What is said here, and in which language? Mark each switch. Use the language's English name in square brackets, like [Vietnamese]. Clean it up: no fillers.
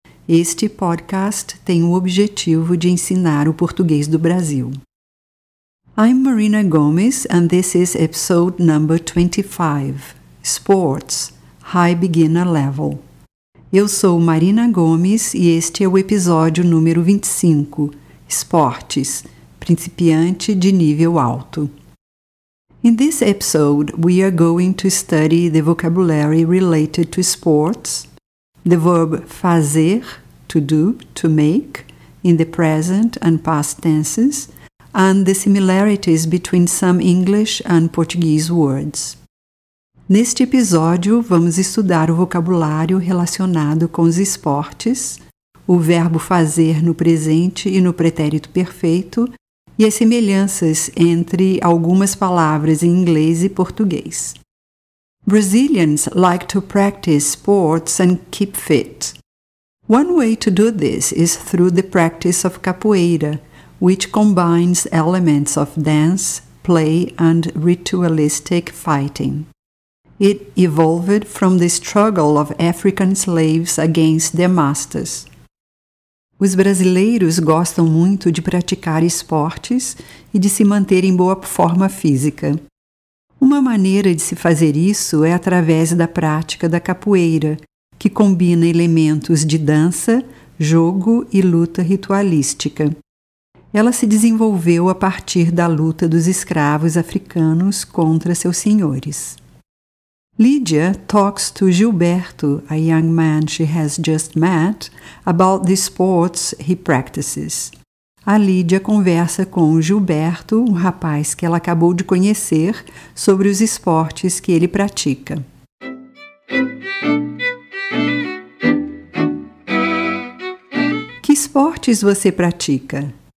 [Portuguese] Este podcast tem o objetivo de ensinar o português do Brasil. [English] I'm Marina Gomes, and this is episode number 25, Sports, High Beginner Level. [Portuguese] Eu sou Marina Gomes e este é o episódio número 25, Esportes, Principiante de Nível Alto. [English] In this episode, we are going to study the vocabulary related to sports, the verb fazer, to do, to make, in the present and past tenses, and the similarities between some English and Portuguese words. [Portuguese] Neste episódio, vamos estudar o vocabulário relacionado com os esportes, o verbo fazer no presente e no pretérito perfeito, e as semelhanças entre algumas palavras em inglês e português. [English] Brazilians like to practice sports and keep fit. One way to do this is through the practice of capoeira, which combines elements of dance, play, and ritualistic fighting. It evolved from the struggle of African slaves against their masters. [Portuguese] Os brasileiros gostam muito de praticar esportes e de se manter em boa forma física. Uma maneira de se fazer isso é através da prática da capoeira, que combina elementos de dança, jogo e luta ritualística. Ela se desenvolveu a partir da luta dos escravos africanos contra seus senhores. [English] Lydia talks to Gilberto, a young man she has just met, about the sports he practices. [Portuguese] A Lydia conversa com Gilberto, um rapaz que ela acabou de conhecer, sobre os esportes que ele pratica. Que esportes você pratica?